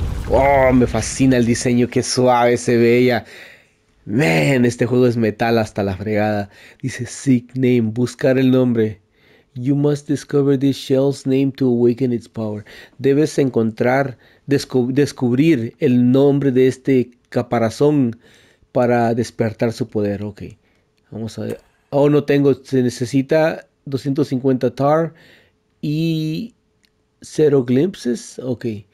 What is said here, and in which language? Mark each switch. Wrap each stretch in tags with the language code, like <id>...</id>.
<es>Oh, me fascina el diseño, qué suave se ve ella. Man, este juego es metal hasta la fregada. Dice Seek Name, buscar el nombre.</es> <en>You must discover this shell's name to awaken its power.</en> <es>Debes encontrar, descubrir el nombre de este caparazón para despertar su poder. Ok, vamos a ver. Oh, no tengo, se necesita 250 tar y 0 glimpses. Ok.</es>